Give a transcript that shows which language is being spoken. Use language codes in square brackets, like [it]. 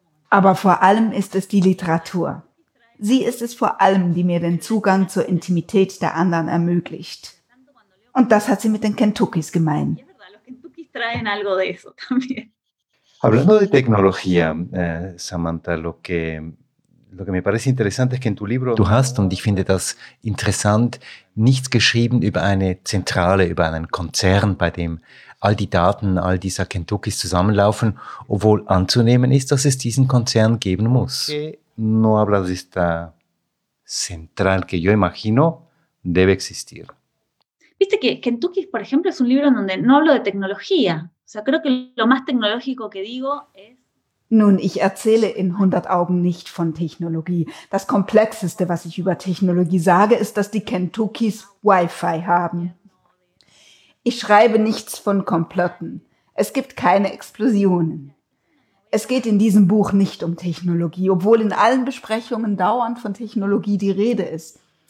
[de] Aber vor allem ist es die Literatur. Sie ist es vor allem, die mir den Zugang zur Intimität der anderen ermöglicht. Und das hat sie mit den Kentuckys gemein. [es] Los Kentuckys traen algo de eso también. Hablando de tecnología, Samantha, lo que me parece interesante es que en tu libro [de] du hast, und ich finde das interessant, nichts geschrieben über eine Zentrale, über einen Konzern, bei dem all die Daten all dieser Kentuckys zusammenlaufen, obwohl anzunehmen ist, dass es diesen Konzern geben muss. [es] No hablas de esta central que yo imagino debe existir. Viste que Kentuckys, por ejemplo, es un libro en donde no hablo de tecnología. O sea, creo que lo más tecnológico que digo es... [de] Nun, ich erzähle in 100 Augen nicht von Technologie. Das Komplexeste, was ich über Technologie sage, ist, dass die Kentuckys Wi-Fi haben. Ich schreibe nichts von Komplotten. Es gibt keine Explosionen. Es geht in diesem Buch nicht um Technologie, obwohl in allen Besprechungen dauernd von Technologie die Rede ist.